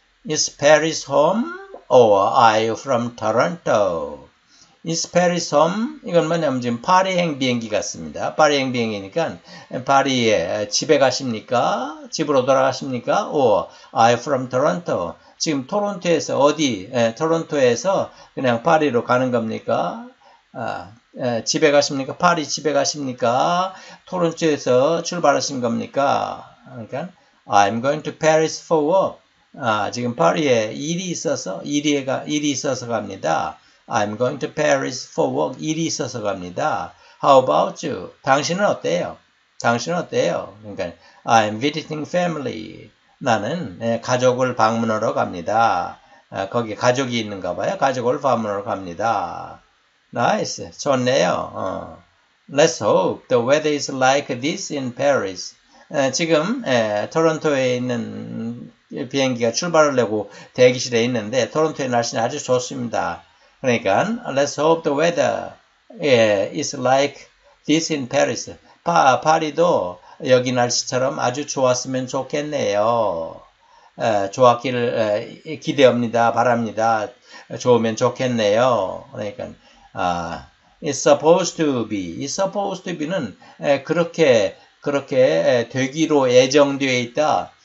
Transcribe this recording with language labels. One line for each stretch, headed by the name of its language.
English: Is Paris home or are you from Toronto? Is Paris home?
Korean: 이건 뭐냐면 지금 파리행 비행기 같습니다. 파리행 비행기니까 파리에 집에 가십니까? 집으로 돌아가십니까?
English: Or are you from Toronto?
Korean: 지금 토론토에서 어디? 토론토에서 그냥 파리로 가는 겁니까? 집에 가십니까? 파리 집에 가십니까? 토론토에서 출발하신 겁니까? 그러니까
English: I'm going to Paris for work.
Korean: 아, 지금 파리에 일이 있어서 일이 있어서 갑니다.
English: I'm going to Paris for work.
Korean: 일이 있어서 갑니다.
English: How about you?
Korean: 당신은 어때요? 당신은 어때요? 그러니까
English: I'm visiting family.
Korean: 나는 가족을 방문하러 갑니다. 거기 가족이 있는가 봐요. 가족을 방문하러 갑니다. 나이스. 좋네요.
English: Let's hope the weather is like this in Paris.
Korean: 지금 토론토에 있는 비행기가 출발을 내고 대기실에 있는데 토론토의 날씨는 아주 좋습니다. 그러니까
English: Let's hope the weather is like this in Paris.
Korean: 파리도 여기 날씨처럼 아주 좋았으면 좋겠네요. 좋았기를 기대합니다. 바랍니다. 좋으면 좋겠네요. 그러니까
English: It's supposed to be
Korean: 는 그렇게 되기로 예정되어 있다.